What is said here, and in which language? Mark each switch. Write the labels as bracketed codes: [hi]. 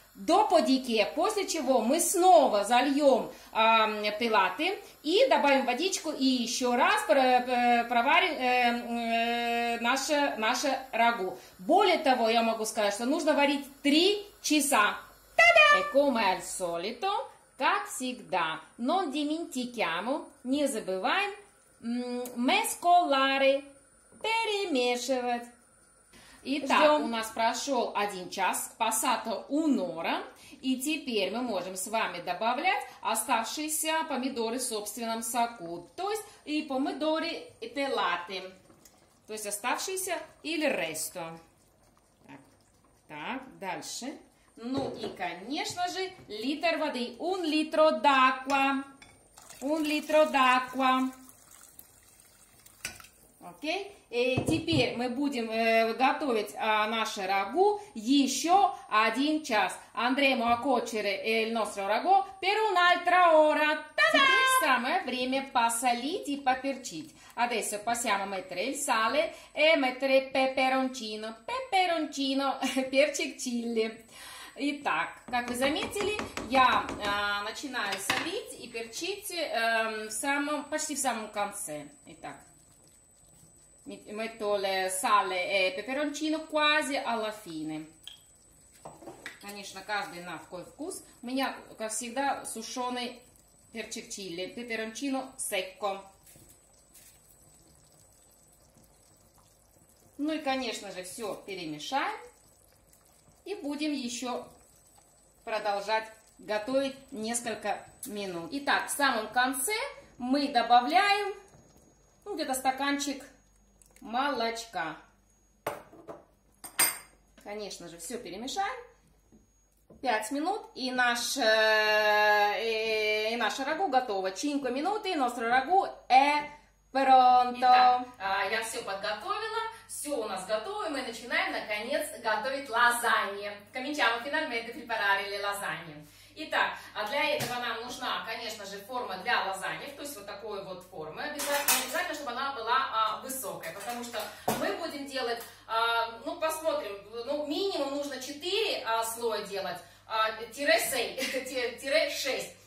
[ru] Dopodiché, после чего мы снова зальем пелаты и добавим водичку и еще раз проварим наше рагу. Более того, я могу сказать, что нужно варить 3 часа. Та-дам! [it] E come al solito, как всегда, non dimentichiamo, не забываем, mescolare, перемешивать. [ru] Итак, ждем. У нас прошел 1 час, passato un'ora, и теперь мы можем с вами добавлять оставшиеся помидоры в собственном соку, то есть и помидоры, и пелаты, то есть оставшиеся или resto. Так, дальше. Ну и, конечно же, литр воды. [it] Un litro d'acqua. Un litro d'acqua. [ru] Окей? Теперь мы будем готовить наше рагу еще один час. [it] Andremo a cuocere il nostro ragù per un'altra ora. [ru] Та-дам! Теперь самое время посолить и поперчить. [it] Adesso possiamo mettere il sale e mettere peperoncino. [ru] Peperoncino, перчик чили. Итак, как вы заметили, я начинаю солить и перчить почти в самом конце. [it] Итак, metto il sale e peperoncino quasi alla fine. [ru] Конечно, каждый на свой вкус. У меня, как всегда, сушеный перчик чили, peperoncino secco. Ну и, конечно же, все перемешаем и будем еще продолжать готовить несколько минут. Итак, в самом конце мы добавляем где-то стаканчик молочка. Конечно же, все перемешаем. 5 минут и наше рагу готово. 5 минут и наше рагу è pronto. Итак, я все подготовила. Все у нас готово, и мы начинаем, наконец, готовить лазанье. [it] Cominciamo finalmente a preparare le lasagne. [ru] Итак, а для этого нам нужна, конечно же, форма для лазаньев, то есть вот такой вот формы. Обязательно, чтобы она была высокая, потому что мы будем делать, посмотрим, минимум нужно 4 слоя делать, -6.